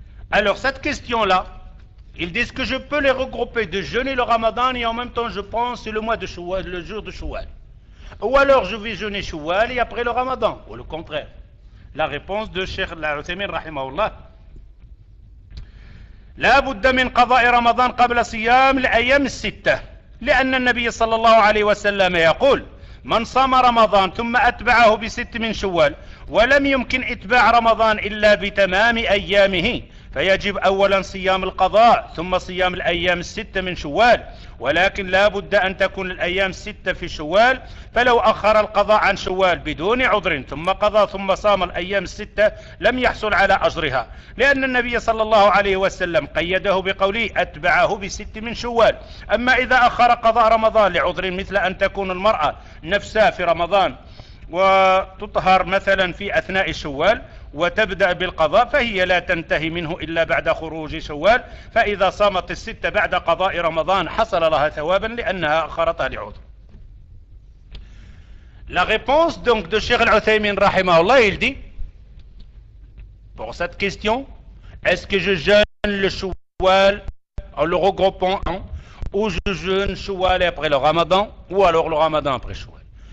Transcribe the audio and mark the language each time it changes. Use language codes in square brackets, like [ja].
[fr] Alors cette question-là, ils disent que je peux les regrouper de jeûner le Ramadan et en même temps je pense c'est le mois de Shawwal, le jour de Shawwal. Ou alors je vais jeûner Shawwal et après le Ramadan, ou le contraire. La réponse de Cheikh Al-Uthaymeen rahimahullah. [ar] لا بد من قضاء رمضان قبل صيام الأيام الستة لأن النبي صلى الله عليه وسلم يقول من صام رمضان ثم أتبعه بست من شوال ولم يمكن إتباع رمضان إلا بتمام أيامه فيجب أولا صيام القضاء ثم صيام الأيام الستة من شوال ولكن لا بد أن تكون الأيام الستة في شوال فلو أخر القضاء عن شوال بدون عذر ثم قضى ثم صام الأيام الستة لم يحصل على أجرها لأن النبي صلى الله عليه وسلم قيده بقوله أتبعه بست من شوال أما إذا أخر قضاء رمضان لعذر مثل أن تكون المرأة نفسها في رمضان وتطهر مثلا في أثناء شوال وتبدأ بالقضاء فهي لا تنتهي منه إلا بعد خروج شوال فإذا صامت الستة بعد قضاء رمضان حصل لها ثوابا لأنها أخرتها لعذر. [fr] La réponse donc de Cheikh Al-Uthaymeen rahimahullah, il dit pour cette question, est-ce que je jeûne le Shawwal en le regroupant en, ou je jeûne Shawwal après le Ramadan, ou alors le Ramadan après Shawwal.